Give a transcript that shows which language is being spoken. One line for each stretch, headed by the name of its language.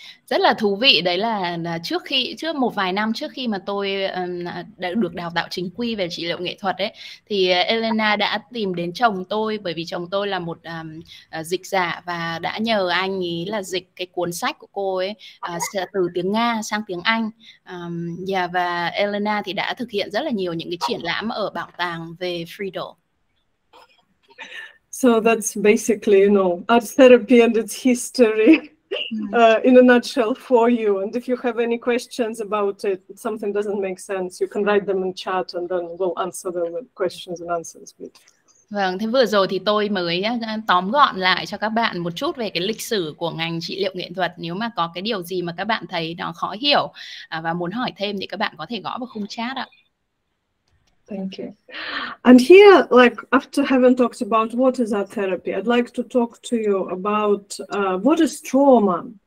Vietnamese: Rất là thú vị, đấy là trước một vài năm trước khi mà tôi đã được đào tạo chính quy về trị liệu nghệ thuật ấy, thì Elena đã tìm đến chồng tôi bởi vì chồng tôi là một dịch giả và đã nhờ anh ấy là dịch cái cuốn sách của cô ấy từ tiếng Nga sang tiếng Anh. Và Elena thì đã thực hiện rất là nhiều những cái triển lãm ở bảo tàng về Friedel.
English: So that's basically, you know, art therapy and its history. In a nutshell for you, and if you have any questions about it, something doesn't make sense, you can write them in chat and then we'll answer them with questions and answers.
Vietnamese: Vâng, thế vừa rồi thì tôi mới tóm gọn lại cho các bạn một chút về cái lịch sử của ngành trị liệu nghệ thuật. Nếu mà có cái điều gì mà các bạn thấy nó khó hiểu và muốn hỏi thêm thì các bạn có thể gõ vào khung chat ạ.
English: Thank you. And here, like, after having talked about what is art therapy, I'd like to talk to you about what is trauma.